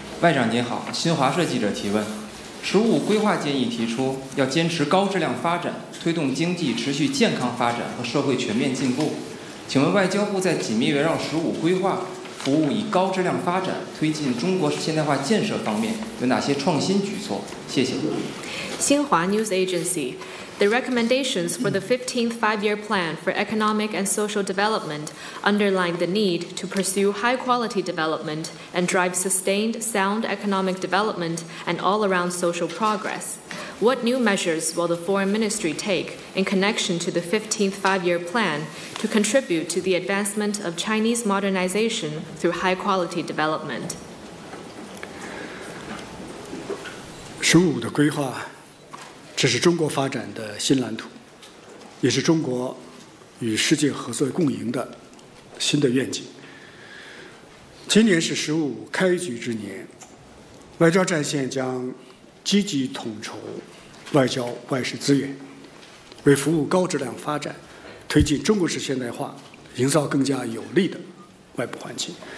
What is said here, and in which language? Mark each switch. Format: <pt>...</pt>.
<zh>外长您好，新华社记者提问。十五规划建议提出要坚持高质量发展，推动经济持续健康发展和社会全面进步，请问外交部在紧密围绕十五规划服务以高质量发展推进中国现代化建设方面有哪些创新举措？谢谢。</zh> <en>新华 News Agency。 The recommendations for the 15th Five-Year Plan for Economic and Social Development underline the need to pursue high-quality development and drive sustained, sound economic development and all-around social progress. What new measures will the Foreign Ministry take in connection to the 15th Five-Year Plan to contribute to the advancement of Chinese modernization through high-quality development?</en> <zh>十五的规划，这是中国发展的新蓝图，也是中国与世界合作共赢的新的愿景。今年是十五开局之年，外交战线将积极统筹外交外事资源，为服务高质量发展、推进中国式现代化营造更加有利的外部环境。</zh>